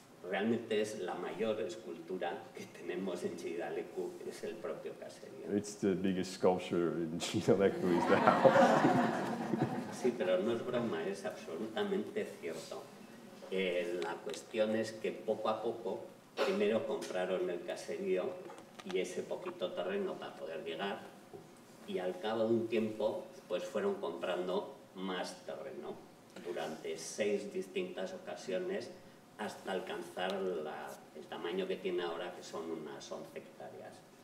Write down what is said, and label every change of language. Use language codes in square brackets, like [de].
[es] Realmente es la mayor escultura que tenemos en Chillida Leku, es el propio caserío. [en] It's the biggest sculpture in Chillida Leku is the house. [es] Sí, pero no es broma, es absolutamente cierto. La cuestión es que poco a poco, primero compraron el caserío y ese poquito terreno para poder llegar, y al cabo de un tiempo, pues fueron comprando más terreno durante 6 distintas ocasiones hasta alcanzar el tamaño que tiene ahora, que son unas 11 hectáreas.